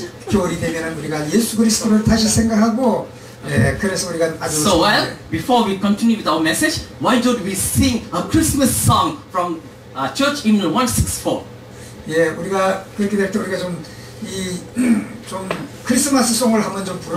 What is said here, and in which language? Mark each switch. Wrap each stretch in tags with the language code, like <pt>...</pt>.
<ko>겨울이 되면 우리가 예수 그리스도를 다시 생각하고, 예, 그래서 우리가 아주.</ko> <en>So well, before we continue with our message, why don't we sing a Christmas song from Church Hymnal 164?</en> <ko>예, 우리가 그렇게 될 때 우리가 좀 이 좀 크리스마스 송을 한번 좀</ko>